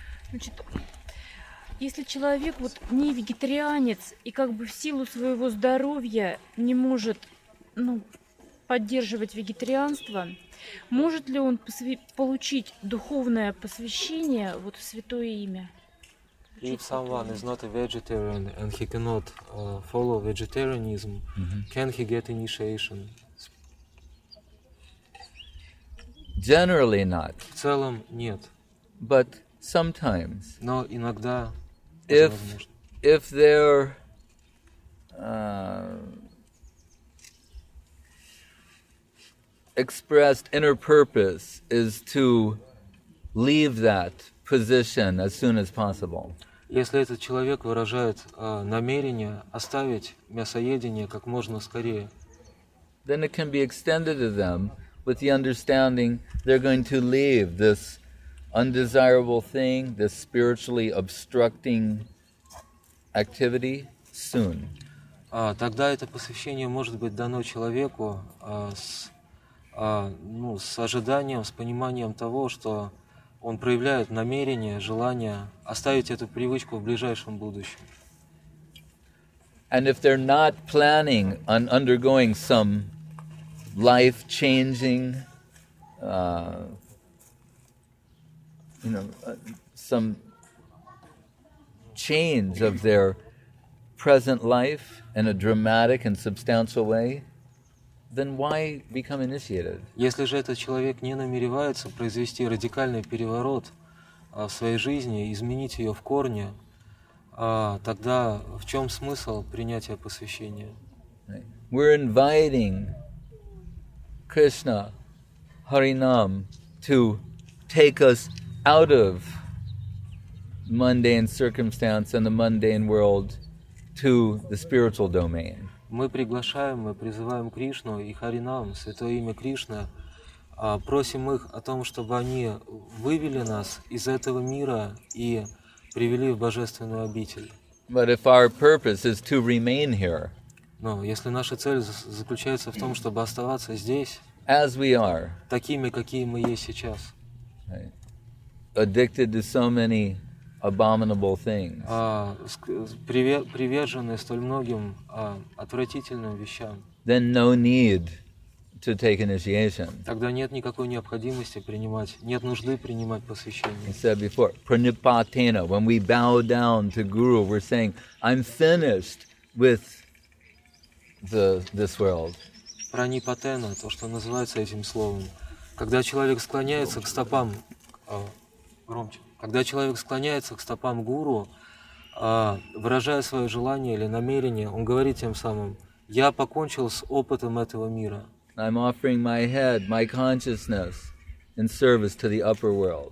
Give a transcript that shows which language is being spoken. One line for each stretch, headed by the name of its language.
Russian: Значит, если человек вот не вегетарианец и как бы в силу своего здоровья не может, ну, поддерживать вегетарианство, может ли он получить духовное посвящение вот в святое имя?
English: If someone is not a vegetarian and he cannot follow vegetarianism, mm-hmm. can he get initiation? Generally not.
Russian: В целом нет.
English: But sometimes.
Russian: Но иногда.
English: If there expressed inner purpose is to leave that position as soon as possible.
Russian: Если этот человек выражает намерение оставить мясоедение как можно скорее,
English: then it can be extended to them with the understanding they're going to leave this undesirable thing, this spiritually obstructing activity soon.
Russian: Тогда это посвящение может быть дано человеку с ожиданием, с пониманием того, что он проявляет намерение, желание оставить эту привычку в ближайшем будущем.
English: And if they're not planning on undergoing some life-changing, some change of their present life in a dramatic and substantial way, then why become initiated?
Russian: Если же этот человек не намеревается произвести радикальный переворот в своей жизни, изменить ее в корне, тогда в чем смысл принятия посвящения?
English: We're inviting Krishna, Harinam, to take us out of mundane circumstance and the mundane world to the spiritual domain.
Russian: Мы приглашаем, мы призываем Кришну и Харинам, Святое Имя Кришны, просим их о том, чтобы они вывели нас из этого мира и привели в Божественную обитель.
English: But if our purpose is to remain here,
Russian: но если наша цель заключается в том, чтобы оставаться здесь,
English: as we are,
Russian: такими, какие мы есть сейчас,
English: right. Addicted to so many abominable things.
Russian: Привержены столь многим отвратительным вещам.
English: Then no need to take initiation.
Russian: Тогда нет никакой необходимости принимать, нет нужды принимать посвящение.
English: I said before, pranipatena, when we bow down to Guru, we're saying, I'm finished with the this world.
Russian: Пранипатена, то, что называется этим словом. Когда человек склоняется к стопам, громче, когда человек склоняется к стопам Гуру, выражая свое желание или намерение, он говорит тем самым, я покончил с опытом этого мира.
English: I'm offering my head, my consciousness, in service to the upper world.